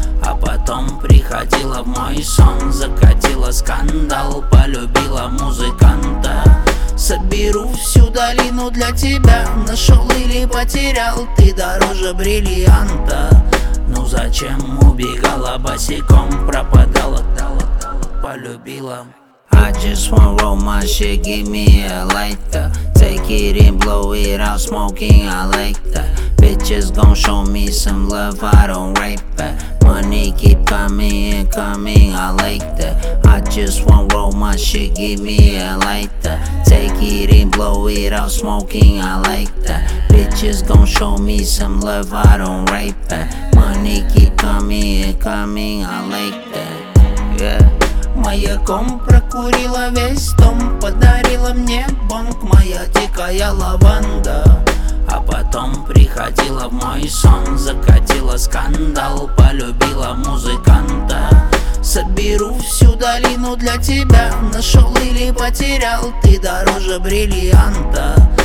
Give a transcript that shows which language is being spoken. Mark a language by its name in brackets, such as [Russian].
[Russian] А потом приходила в мой сон, закатила скандал, полюбила музыканта. Соберу всю долину для тебя, нашел или потерял, ты дороже бриллианта. Ну зачем убегала босиком, пропадала, полюбила. [English] I just want roll my shit, give me a lighter. Take it in, blow it out, smoking, I like that. Bitches gon' show me some love, I don't rape that. Money keep coming and coming, I like that. I just want roll my shit, give me a lighter. Take it in, blow it out, smoking, I like that. Bitches gon' show me some love, I don't rape that. Money keep coming and coming, I like that. [Russian] Моя ком прокурила весь дом, подарила мне бонг моя дикая лаванда. А потом приходила в мой сон, закатила скандал, полюбила музыканта. Соберу всю долину для тебя, нашел или потерял, ты дороже бриллианта.